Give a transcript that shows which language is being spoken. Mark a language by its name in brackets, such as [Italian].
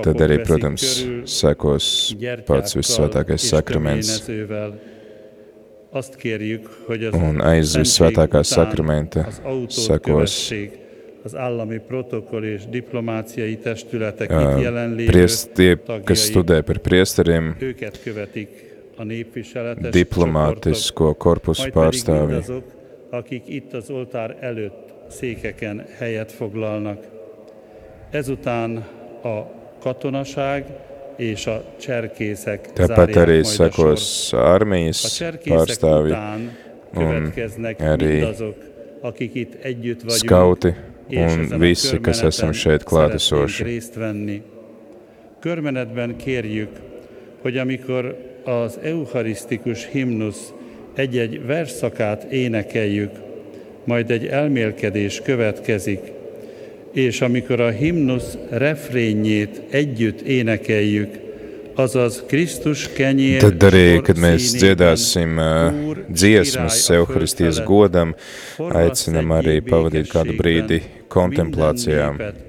[Latvian] tad arī, protams, sekos pats vissvētākais sakraments. [Hungarian] Azt kérjük, hogy az [Latvian] un aiz vissvētākā sakramenta sekos [Hungarian] az állami protokoll és diplomáciai testületek jelenlévő, [Latvian] kas studē par priesteriem, [Hungarian] őket követik a népviseletes [Latvian] diplomātisko korpusu pārstāvi, [Hungarian] azok, akik itt az oltár előtt székeken helyet foglalnak. Ezután a katonaság és a cserkészek [Latvian] tāpat arī sekos armijas pārstāvi un arī [Hungarian] azok, akik itt együtt vagyunk, [Latvian] skauti un visi, kas esam šeit klātesoši. [Hungarian] Körmenetben kérjük, hogy amikor az eucharisztikus himnus egy-egy versszakát énekeljük, majd egy elmélkedés következik, és amikor a himnusz refrényét együtt énekeljük, azaz Krisztus kenyér... [Latvian] Tad arī, kad mēs dziedāsim dziesmas Eucharistijas godam, aicinam arī pavadīt kādu brīdi kontemplācijām.